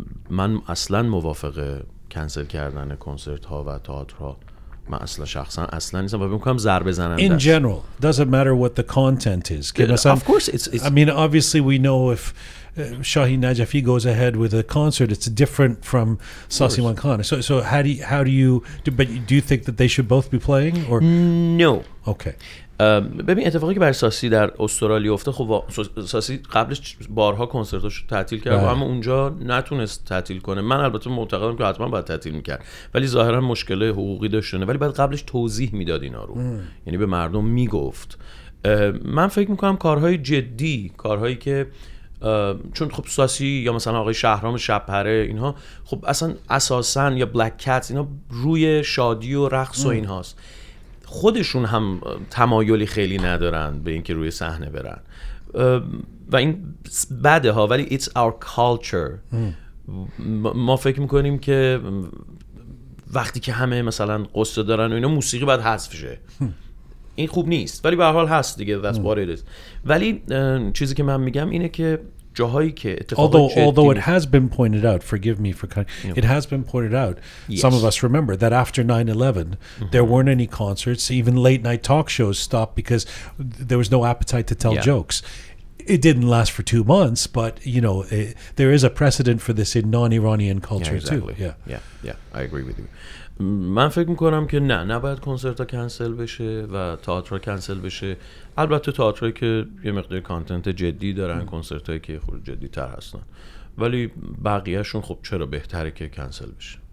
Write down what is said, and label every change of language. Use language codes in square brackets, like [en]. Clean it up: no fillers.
[fa] من اصلا موافق کنسل کردن کنسرت ها و تئاتر ها من اصلا شخصا اصلا نیستم و بمکنم زر بزنم. [en] In general, doesn't matter what the content is. Of course, it's I mean, obviously we know if Shahin Najafi goes ahead with a concert, it's different from Sasiwan Khan. So how do you but do you think that they should both be playing or? No. Okay. [fa] ببین اتفاقی که برای ساسی در استرالیا افتاد، خب ساسی قبلش بارها کنسرتاشو تعطیل کرد و اما اونجا نتونست تعطیل کنه. من البته معتقدم که حتما باید تعطیل میکرد، ولی ظاهرا مشکل حقوقی داشتنه، ولی بعد قبلش توضیح میداد اینا رو، یعنی به مردم میگفت. من فکر میکنم کارهای جدی، کارهایی که چون خب ساسی یا مثلا آقای شهرام شب‌پره اینها، خب اصلا اساسا یا بلک کات اینا روی شادی و رقص و اینهاست، خودشون هم تمایلی خیلی ندارن به اینکه روی صحنه برن و این بده ها، ولی [en] it's our culture. [fa] ما فکر میکنیم که وقتی که همه مثلا قصه دارن و اینا، موسیقی باید حذف شه. این خوب نیست، ولی به هر حال هست دیگه. [en] That's what it is. [fa] ولی چیزی که من میگم اینه که جاهایی که اتفاق [en] although it has been pointed out, forgive me for cutting, it has been pointed out, yes. Some of us remember that after 9/11 there weren't any concerts, even late night talk shows stopped because there was no appetite to tell jokes. It didn't last for 2 months, but you know there is a precedent for this in non-Iranian culture too. Yeah, I agree with you. [fa] من فکر میکنم که نه، نباید کنسرت ها کنسل بشه و تئاتر ها کنسل بشه. البته تئاتر هایی که یه مقدار کانتنت جدی دارن، کنسرت هایی که خود جدی تر هستن، ولی بقیه شون خب چرا بهتره که کنسل بشه.